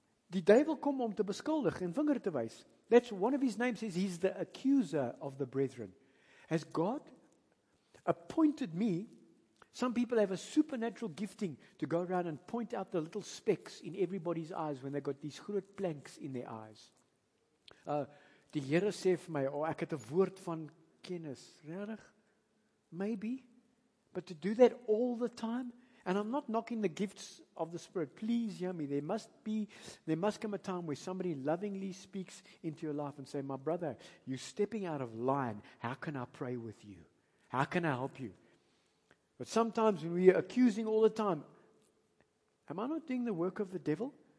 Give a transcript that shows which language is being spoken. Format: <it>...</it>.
<af>Die duivel kom om te beskuldig en vinger te wys.</af> <en>That's one of his names, says he's the accuser of the brethren. Has God appointed me? Some people have a supernatural gifting to go around and point out the little specks in everybody's eyes when they got these groot planks in their eyes.</en> <af>Die Here sê vir my, oh, ek het 'n woord van kennis. Regtig? Maybe.</af> <en>But to do that all the time, and I'm not knocking the gifts of the Spirit. Please hear me. There must come a time where somebody lovingly speaks into your life and say, my brother, you're stepping out of line. How can I pray with you? How can I help you? But sometimes when we are accusing all the time, am I not doing the work of the devil?</en>